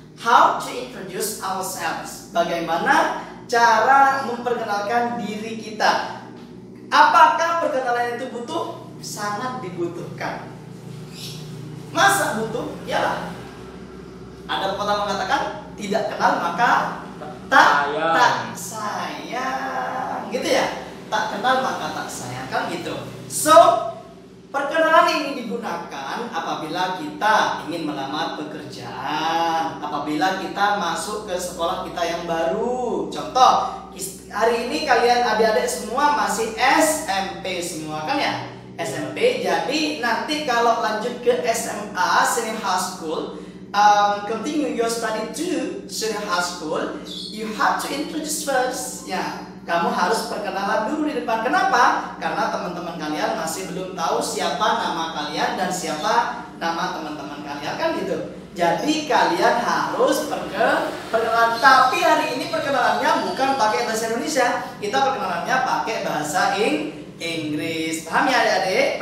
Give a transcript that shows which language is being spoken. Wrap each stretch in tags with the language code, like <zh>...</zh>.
<en>How to introduce ourselves.</en> <id>Bagaimana cara memperkenalkan diri kita. Apakah perkenalan itu butuh? Sangat dibutuhkan. Masa butuh? Yalah. Ada pepatah mengatakan tidak kenal maka tak sayang. Gitu ya? Tak kenal maka tak sayang, kan gitu. So, perkenalan ini digunakan apabila kita ingin melamar pekerjaan, apabila kita masuk ke sekolah kita yang baru. Contoh, hari ini kalian adik-adik semua masih SMP semua, kan ya? SMP, jadi nanti kalau lanjut ke SMA,</id> <en>senior high school, continue your study to senior high school, you have to introduce first.</en> <id>Ya, kamu harus perkenalan dulu di depan. Kenapa? Karena teman-teman kalian masih belum tahu siapa nama kalian dan siapa nama teman-teman kalian, kan gitu. Jadi kalian harus perkenalan. Tapi hari ini perkenalannya bukan pakai bahasa Indonesia, kita perkenalannya pakai bahasa Inggris. Paham ya adik-adik?</id>